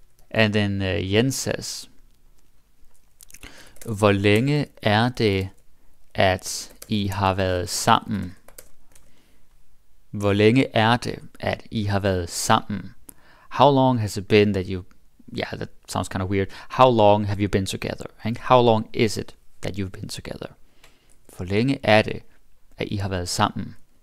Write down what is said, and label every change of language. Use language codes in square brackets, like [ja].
[en] And then Jens says, [da] hvor længe er det, at I har været sammen? Hvor længe er det, at I har været sammen? [en] How long has it been that you... Yeah, that sounds kind of weird. How long have you been together? And how long is it that you've been together? [da] Hvor længe er det, at I har været sammen?